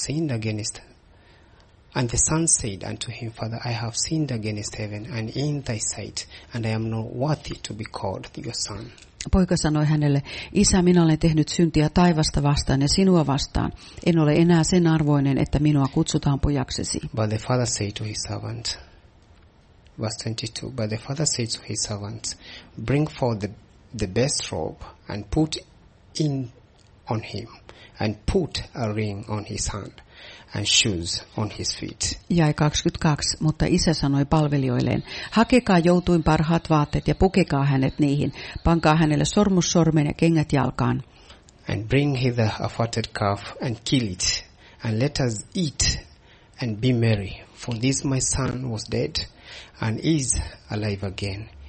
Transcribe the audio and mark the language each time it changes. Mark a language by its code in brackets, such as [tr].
[en] And the son said unto him, Father, I have sinned against heaven and in thy sight, and I am not worthy to be called your son. [fi] Poika sanoi hänelle, Isä, minä olen tehnyt syntiä taivasta vastaan ja sinua vastaan. En ole enää sen arvoinen, että minua kutsutaan pojaksesi. [en] But the father said to his servant, verse 22, But the father said to his servant, Bring forth the best robe and put in on him, and put a ring on his hand. And shoes on his feet. [fi] Jäi 22, mutta isä sanoi palvelijoilleen, hakekaa joutuin parhaat vaatteet ja pukekaa hänet niihin. Pankaa hänelle sormus sormen ja kengät jalkaan. [en] And bring hither a fatted calf and kill it. And let us eat and be merry. For this my son was dead and is alive again.